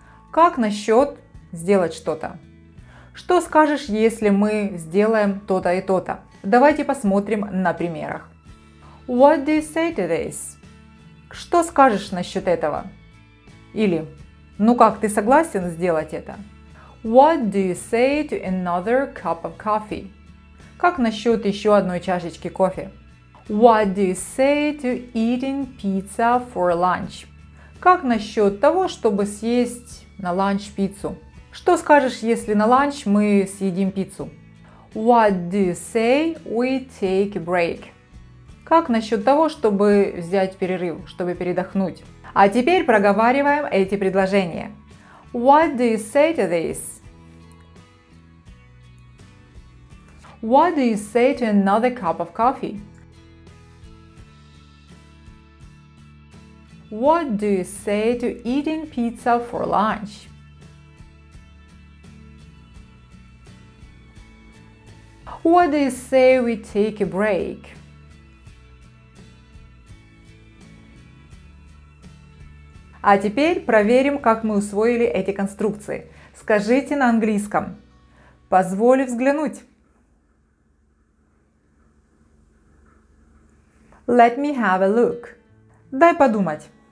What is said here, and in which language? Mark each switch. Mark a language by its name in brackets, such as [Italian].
[Russian] Как насчет сделать что-то? Что скажешь, если мы сделаем то-то и то-то? Давайте посмотрим на примерах. [English] What do you say to this? [Russian] Что скажешь насчет этого? Или, ну как, ты согласен сделать это? [English] What do you say to another cup of coffee? [Russian] Как насчет еще одной чашечки кофе? [English] What do you say to eating pizza for lunch? [Russian] Как насчет того, чтобы съесть на ланч пиццу? Что скажешь, если на ланч мы съедим пиццу? [English] What do you say we take a break? [Russian] Как насчет того, чтобы взять перерыв, чтобы передохнуть? А теперь проговариваем эти предложения. [English] What do you say to this? What do you say to another cup of coffee? What do you say to eating pizza for lunch? What do you say we take a break? [Russian] А теперь проверим, как мы усвоили эти конструкции. Скажите на английском. Позволь взглянуть. [English] Let me have a look. [Russian] Дай подумать.